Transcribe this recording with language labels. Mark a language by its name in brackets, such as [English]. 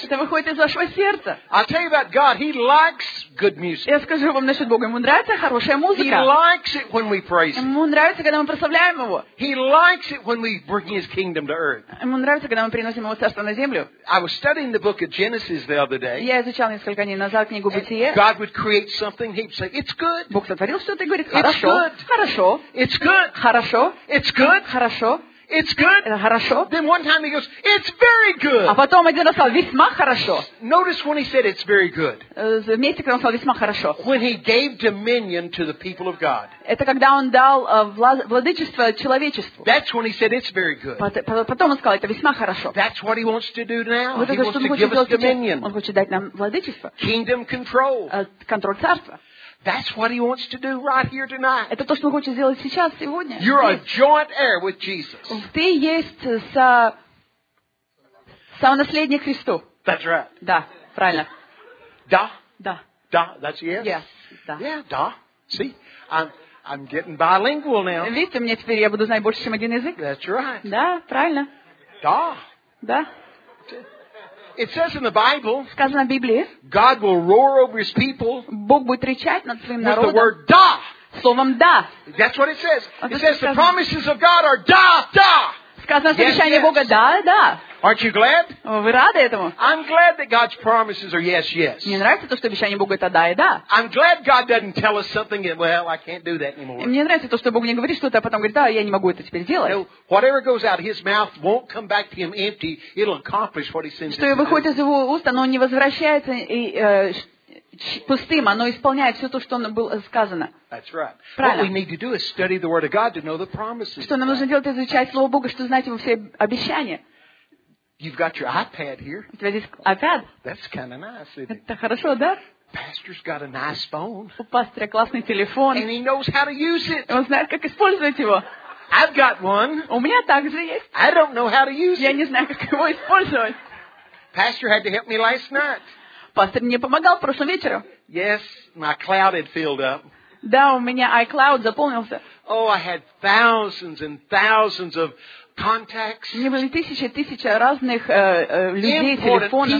[Russian] Это выходит из вашего сердца. [English] I'll tell you about God. He likes good music. [Russian] Я скажу вам насчет Бога. Ему нравится хорошая музыка. [English] He likes it when we praise Him. [Russian] Ему нравится, когда мы прославляем Его. [English] He likes it when we bring His kingdom to earth. [Russian] Ему нравится, когда мы приносим Его царство на землю. [English] I was studying the book of Genesis the other day. [Russian] Я изучал несколько дней назад книгу Бытие. [English] God would create something. He'd say, "It's good." [Russian] Бог сотворил что-то и говорит: "Хорошо, хорошо." [English] It's good. [Russian] Хорошо. [English] It's good. [Russian] Хорошо. [English] It's good. [Russian] Это хорошо. [English] Then one time he goes, "It's very good." [Russian] А потом один раз сказал: "Весьма хорошо." [English] Notice when he said, "It's very good." [Russian] Заметьте, когда он сказал: "Весьма хорошо." [English] When he gave dominion to the people of God. [Russian] Это когда он дал владычество человечеству. [English] That's when he said, "It's very good." [Russian] Потом он сказал: "Это весьма хорошо." [English] That's what he wants to do now. [Russian] Вот это, [English] he wants to give us dominion. [Russian] Он хочет дать нам владычество. [English] Kingdom control. [Russian] Контроль царства. [English] That's what he wants to do right here tonight. [Russian] Это то, что он хочет сделать сейчас, сегодня. [English] You're a joint heir with Jesus. [Russian] Ты есть сонаследник Христу. [English] That's right. [Russian] Да, правильно. Да. Да. Да. [English] That's yes. Yes. [Russian] Да. [English] Yeah. [Russian] Да. [English] See, I'm getting bilingual now. [Russian] Видите, мне теперь я буду знать больше, чем один язык. [English] That's right. [Russian] Да, правильно. Да. Да. [English] It says in the Bible. [Russian] Сказано в Библии. [English] God will roar over His people. [Russian] Бог будет рычать над своим народом. [English] With the word "да." [Russian] Словом "да." [English] That's what it says. It says the promises of God are "да, да." [Russian] Сказано, что обещания Бога "да, да." [English] Aren't you glad? [Russian] Вы рады этому? [English] I'm glad that God's promises are "yes, yes." [Russian] Мне нравится то, что обещания Бога это "да, да." [English] I'm glad God doesn't tell us something and "well, I can't do that anymore." [Russian] Мне нравится то, что Бог не говорит что-то, а потом говорит: "Да, я не могу это теперь сделать." [English] Whatever goes out of His mouth won't come back to Him empty. It'll accomplish what He sends. [Russian] Что выходит из Его уст, оно не возвращается и пустым, оно исполняет все то, что было сказано. [English] That's right. [Russian] Правильно. [English] What we need to do is study the Word of God to know the promises. [Russian] Что нам нужно делать, изучать Слово Бога, чтобы знать Его все обещания. [English] You've got your iPad here. [Russian] У тебя здесь iPad. [English] That's kind of nice, isn't it? [Russian] Это хорошо, да? [English] Pastor's got a nice phone. [Russian] У пастора классный телефон. [English] And he knows how to use it. [Russian] Он знает, как использовать его. [English] I've got one. [Russian] У меня также есть. [English] I don't know how to use it. [Russian] Я не знаю, как его использовать. [English] Pastor had to help me last night. [Russian] Пастор мне помогал прошлым вечером. [English] Yes, my cloud had filled up. [Russian] Да, у меня iCloud заполнился. [English] Oh, I had thousands and thousands of contacts. [Russian] У меня были тысячи и тысячи разных людей, телефонов.